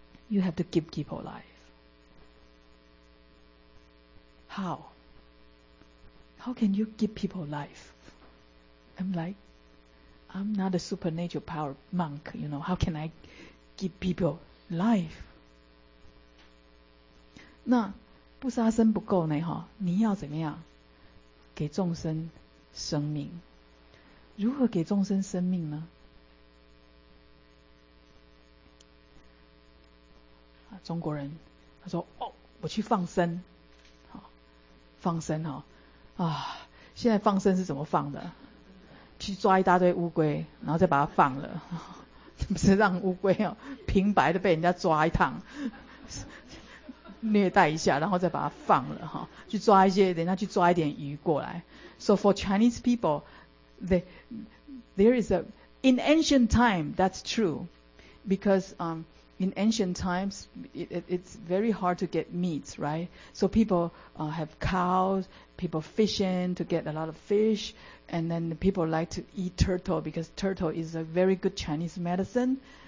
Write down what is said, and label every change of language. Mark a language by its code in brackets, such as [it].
[en] You have to give people life. How? How can you give people life? I'm like,I'm not a supernatural power monk, you know. How can I give people life? [zh] 那不杀生不够呢？哈，你要怎么样给众生生命？如何给众生生命呢？啊，中国人他说：“哦，我去放生，好，放生哈，啊，现在放生是怎么放的？” 去抓一大堆乌龟，然后再把它放了，不是让乌龟哦平白的被人家抓一趟，虐待一下，然后再把它放了哈。去抓一些，人家去抓一点鱼过来。 [en] So for Chinese people, there is a in ancient time that's true, because in ancient times, it's very hard to get meat, right? So people have cows, people fishing to get a lot of fish, and then the people like to eat turtle because turtle is a very good Chinese medicine.